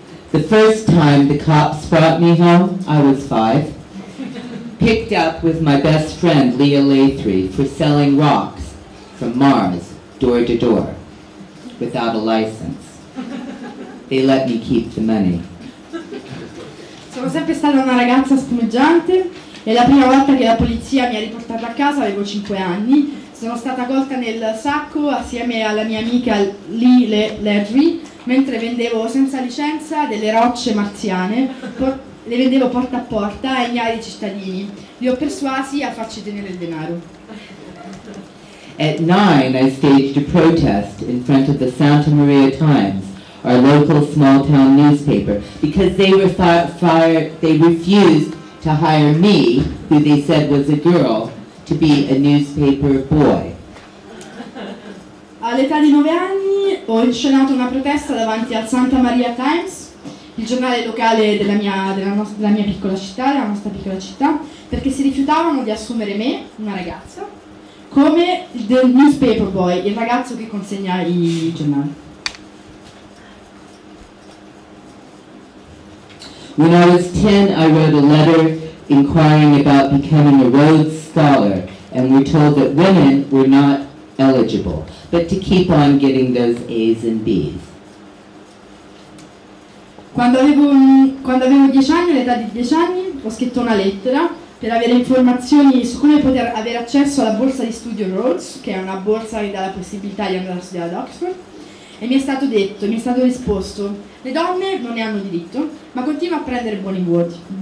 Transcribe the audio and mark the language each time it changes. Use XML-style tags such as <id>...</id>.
<en>The first time the cops brought me home, I was 5, picked up with my best friend, Leah Lathrie, for selling rocks from Mars, door to door, without a license. They let me keep the money.</en> <it>Sono sempre stata una ragazza spumeggiante e la prima volta che la polizia mi ha riportata a casa avevo 5 anni. Sono stata colta nel sacco assieme alla mia amica Lee Larry mentre vendevo senza licenza delle rocce marziane. Le vendevo porta a porta agli altri cittadini. Li ho persuasi a farci tenere il denaro.</it> <en>At 9 I staged a protest in front of the Santa Maria Times, our local small town newspaper, because they refused to hire me, who they said was a girl, to be a newspaper boy.</en> <it>All'età di 9 anni ho inscenato una protesta davanti al Santa Maria Times, il giornale locale della mia piccola città, della nostra piccola città, perché si rifiutavano di assumere me, una ragazza, come il newspaper boy, il ragazzo che consegna i giornali.</it> <en>When I was 10, I wrote a letter inquiring about becoming a Rhodes Scholar, and we're told that women were not eligible, but to keep on getting those A's and B's.</en> <it>Quando avevo 10 anni, all'età di 10 anni, ho scritto una lettera per avere informazioni su come poter avere accesso alla borsa di studio Rhodes, che è una borsa che dà la possibilità di andare a studiare ad Oxford. E mi è stato detto, mi è stato risposto, le donne non ne hanno diritto, ma continua a prendere buoni voti.</it>